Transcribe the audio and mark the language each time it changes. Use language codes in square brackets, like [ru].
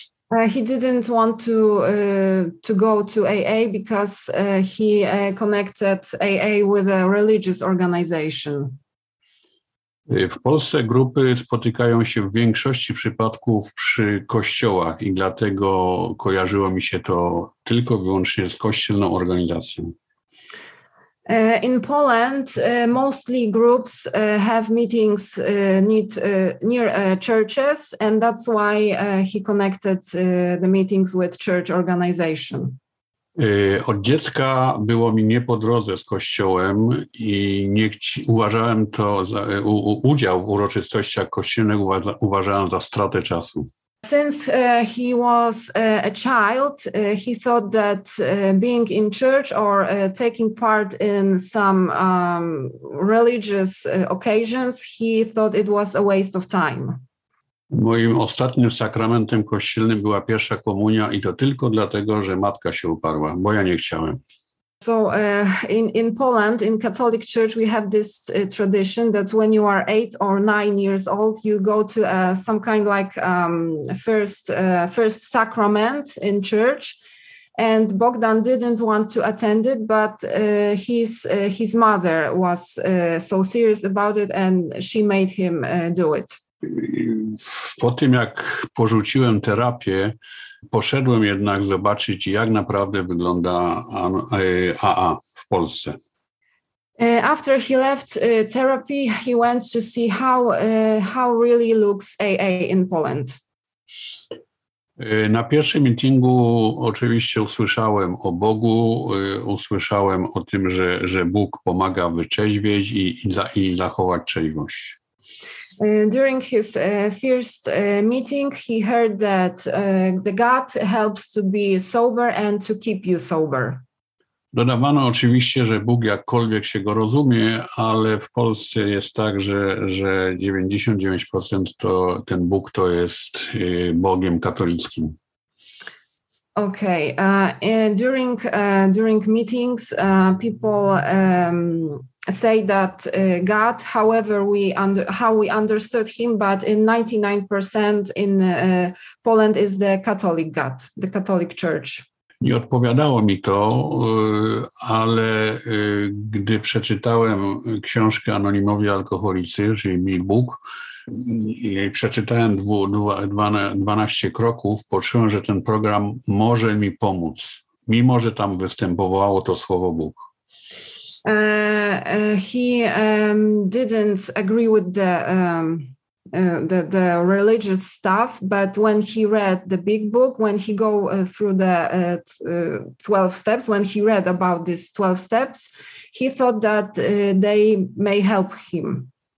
[en] He didn't want to go to AA because he connected AA with a religious organization. [pl] W Polsce grupy spotykają się w większości przypadków przy kościołach i dlatego kojarzyło mi się to tylko wyłącznie z kościelną organizacją. [en] In Poland, mostly groups have meetings near churches, and that's why he connected the meetings with church organization. [pl] Od dziecka było mi nie po drodze z kościołem i uważałem to za udział w uroczystościach kościelnych uważałem za stratę czasu. [en] Since he was a child, he thought that being in church or taking part in some religious occasions, he thought it was a waste of time. [pl] Moim ostatnim sakramentem kościelnym była pierwsza komunia i to tylko dlatego, że matka się uparła, bo ja nie chciałem. [en] So in Poland, in Catholic Church, we have this tradition that when you are 8 or 9 years old, you go to some kind like first sacrament in church. And Bogdan didn't want to attend it, but his mother was so serious about it, and she made him do it. [pl] Po tym, jak porzuciłem terapię, poszedłem jednak zobaczyć, jak naprawdę wygląda AA w Polsce. [en] After he left therapy, he went to see how really looks AA in Poland. [pl] Na pierwszym meetingu oczywiście usłyszałem o Bogu, usłyszałem o tym, że Bóg pomaga wytrzeźwieć i zachować trzeźwość. [en] During his first meeting, he heard that the God helps to be sober and to keep you sober. [pl] Dodawano oczywiście, że Bóg jakkolwiek się go rozumie, ale w Polsce jest tak, że 99% to ten Bóg to jest Bogiem katolickim. [en] Okay. During meetings, people say that God, however we how we understood him, but in 99% in Poland is the Catholic God, the Catholic Church. [pl] Nie odpowiadało mi to, ale gdy przeczytałem książkę Anonimowi Alkoholicy, czyli Mój Bóg, i przeczytałem 12 kroków, poczułem, że ten program może mi pomóc, mimo że tam występowało to słowo Bóg. [en] He didn't agree with the religious stuff, but when he read the big book, when he go through the 12 steps, when he read about these 12 steps, he thought that they may help him.